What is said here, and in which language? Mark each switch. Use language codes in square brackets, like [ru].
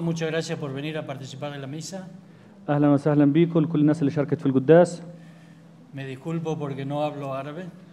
[es] Muchas gracias por venir a participar de la misa. [ar] اهلا وسهلا بكم كل الناس اللي شاركت في القداس. [es] Me disculpo porque no hablo árabe.